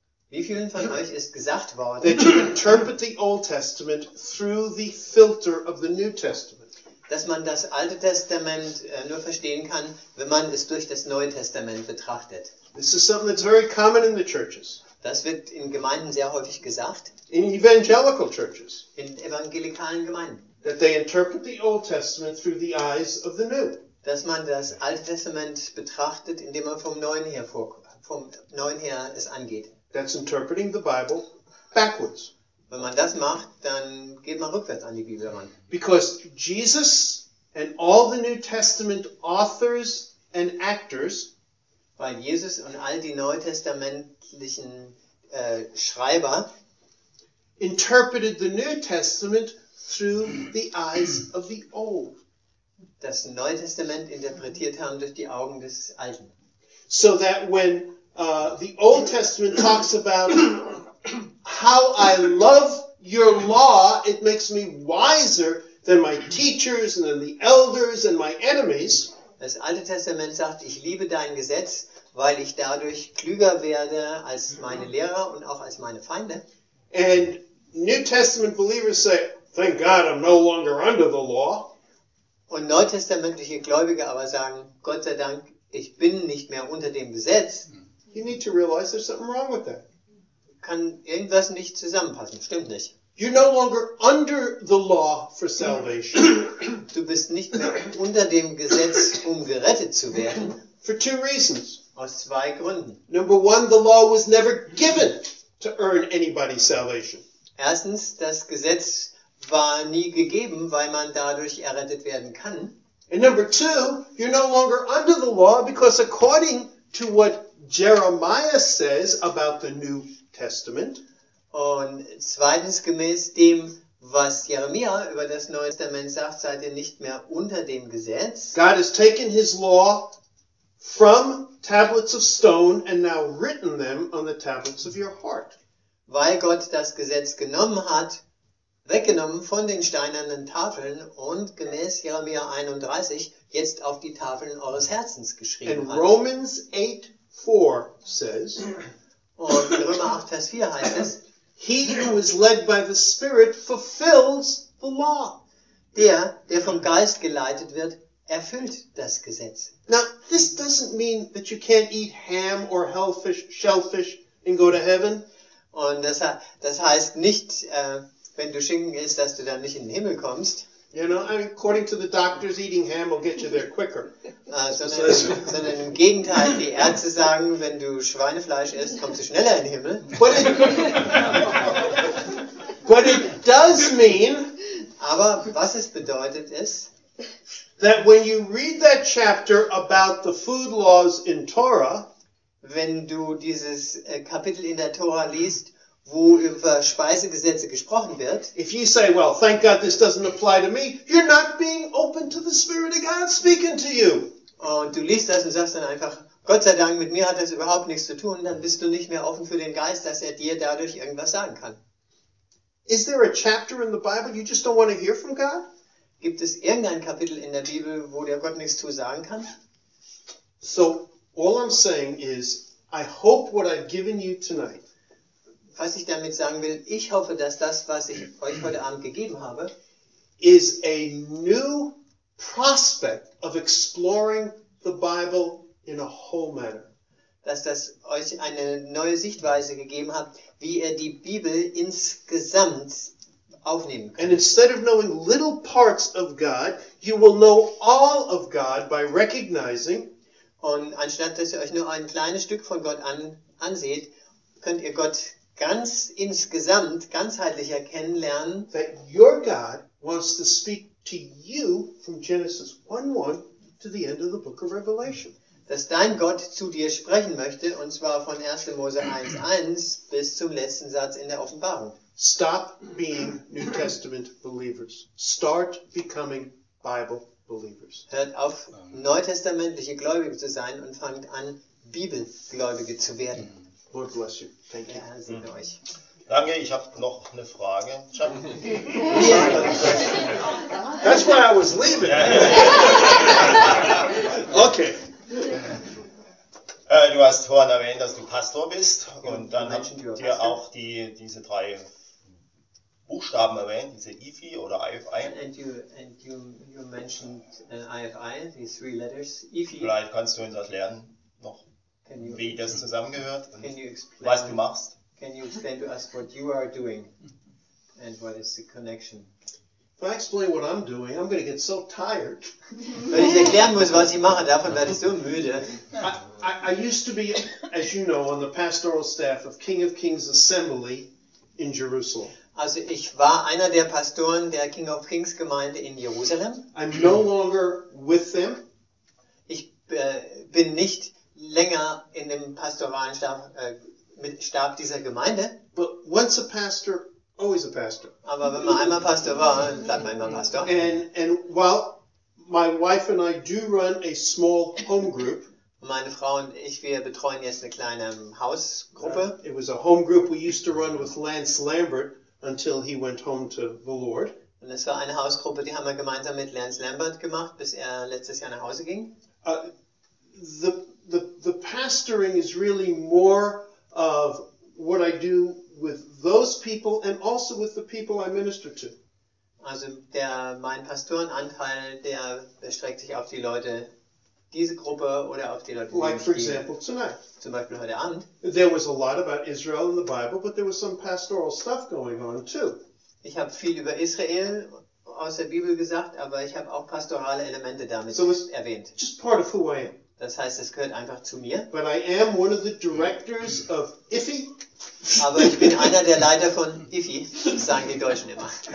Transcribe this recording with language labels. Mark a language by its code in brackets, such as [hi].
[de] Wie vielen von euch ist gesagt worden? [en] That you interpret the Old Testament through the filter of the New Testament. [de] Dass man das Alte Testament nur verstehen kann, wenn man es durch das Neue Testament betrachtet. [en] This is something that's very common in the churches. [de] Das wird in Gemeinden sehr häufig gesagt. [en] In evangelical churches. [de] In evangelikalen Gemeinden. [en] That they interpret the Old Testament through the eyes of the New. [de] Dass man das Alte Testament betrachtet, indem man vom Neuen her es angeht. [en] That's interpreting the Bible backwards. [de] Wenn man das macht, dann geht man rückwärts an die Bibel ran. [en] Because Jesus and all the New Testament authors and actors, [de] weil Jesus und all die neutestamentlichen Schreiber [en] interpreted the New Testament through the eyes of the old. [de] Das Neue Testament interpretiert haben durch die Augen des Alten. [en] So that when the Old Testament talks about how I love your law, it makes me wiser than my teachers and than the elders and my enemies. [de] Das Alte Testament sagt, ich liebe dein Gesetz, weil ich dadurch klüger werde als meine Lehrer und auch als meine Feinde. [en] And New Testament believers say, thank God I'm no longer under the law. [de] Und neutestamentliche Gläubige aber sagen, Gott sei Dank, ich bin nicht mehr unter dem Gesetz. [en] You need to realize there's something wrong with that. [de] Kann irgendwas nicht zusammenpassen. Stimmt nicht. [en] You're no longer under the law for salvation. [de] Du bist nicht mehr unter dem Gesetz, um gerettet zu werden. [en] For two reasons. [de] Aus zwei Gründen. [en] Number one, the law was never given to earn anybody's salvation. [de] Erstens, das Gesetz war nie gegeben, weil man dadurch errettet werden kann. [en] And number two, you're no longer under the law because according to what Jeremiah says about the new Testament. [de] Und zweitens, gemäß dem, was Jeremia über das Neue Testament sagt, seid ihr nicht mehr unter dem Gesetz. [en] God has taken his law from tablets of stone and now written them on the tablets of your heart. [de] Weil Gott das Gesetz genommen hat, weggenommen von den steinernen Tafeln und gemäß Jeremia 31 jetzt auf die Tafeln eures Herzens geschrieben and hat. [en] Romans 8:4 says, [de] und Römer 8, Vers 4 heißt es, [en] he who is led by the Spirit fulfills the law. [de] Der, der vom Geist geleitet wird, erfüllt das Gesetz. [en] Now, this doesn't mean that you can't eat ham or shellfish and go to heaven. [de] Und das heißt nicht, wenn du Schinken isst, dass du dann nicht in den Himmel kommst. [en] You know, I mean, according to the doctors, eating ham will get you there quicker. [de] Sondern im Gegenteil, die Ärzte sagen, wenn du Schweinefleisch isst, kommst du schneller in den Himmel. [en] But it does mean, [de] aber was es bedeutet ist, [en] that when you read that chapter about the food laws in Torah, [de] wenn du dieses Kapitel in der Tora liest, wo über Speisegesetze gesprochen wird. [en] If you say, well, thank God this doesn't apply to me, you're not being open to the Spirit of God speaking to you. [de] Und du liest das und sagst dann einfach, Gott sei Dank, mit mir hat das überhaupt nichts zu tun, dann bist du nicht mehr offen für den Geist, dass er dir dadurch irgendwas sagen kann. [en] Is there a chapter in the Bible you just don't want to hear from God? [de] Gibt es irgendein Kapitel in der Bibel, wo dir Gott nichts zu sagen kann? [en] So, all I'm saying is, I hope what I've given you tonight, [de] Was ich damit sagen will, ich hoffe, dass das, was ich euch heute Abend gegeben habe, [en] is a new prospect of exploring the Bible in a whole manner. [de] Dass das euch eine neue Sichtweise gegeben hat, wie ihr die Bibel insgesamt aufnehmen könnt. [en] And instead of knowing little parts of God, you will know all of God by recognizing. [de] Und anstatt dass ihr euch nur ein kleines Stück von Gott anseht, könnt ihr Gott ganz insgesamt ganzheitlich erkennenlernen. [en] That your God wants to speak to you from Genesis 1:1 to the end of the book of Revelation. [de] Dass dein Gott zu dir sprechen möchte, und zwar von 1. Mose 1:1 bis zum letzten Satz in der Offenbarung. [en] Stop being New Testament believers. Start becoming Bible believers. [de] Hört auf, neutestamentliche Gläubige zu sein und fangt an, Bibelgläubige zu werden. [en] Lord bless you. Thank you. [de] Herr segne euch. Danke, ich habe noch eine Frage. [en] That's why I was leaving. Okay. [de] Du hast vorhin erwähnt, dass du Pastor bist, und dann habt ihr auch diese drei Buchstaben erwähnt, diese IFI oder IFI. [en] And you mentioned IFI, the three letters, IFI. [de] Vielleicht kannst du uns erklären, noch, wie das zusammengehört und was du machst. [en] Can you explain to us what you are doing and what is the connection? If I explain what I'm doing, I'm going to get so tired. [de] Wenn ich erklären muss, was ich mache, davon werde ich so müde. [en] I used to be, as you know, on the pastoral staff of King of Kings Assembly in Jerusalem. [de] Also ich war einer der Pastoren der King of Kings Gemeinde in Jerusalem. [en] I'm no longer with them. [de] Ich bin nicht länger in dem pastoralen Stab dieser Gemeinde. [en] But once a pastor, always a pastor. [de] Aber wenn man einmal Pastor war, bleibt man immer Pastor. [en] And while my wife and I do run a small home group. [de] Meine Frau und ich, wir betreuen jetzt eine kleine Hausgruppe. [en] It was a home group we used to run with Lance Lambert until he went home to the Lord. [de] Und es war eine Hausgruppe, die haben wir gemeinsam mit Lance Lambert gemacht, bis er letztes Jahr nach Hause ging. [en] The pastoring is really more of what I do with those people and also with the people I minister to. [de] Also mein Pastorenanteil, der erstreckt sich auf die Leute, diese Gruppe oder auf die Leute, [en] like for example tonight. [de] Zum Beispiel heute Abend. [en] There was a lot about Israel in the Bible, but there was some pastoral stuff going on too. [de] Ich habe viel über Israel aus der Bibel gesagt, aber ich habe auch pastorale Elemente damit erwähnt. [en] Just part of who I am. [de] Das heißt, es gehört einfach zu mir. [en] But I am one of the directors of IFI. [de] Aber ich bin einer der Leiter von IFI, sagen die Deutschen immer.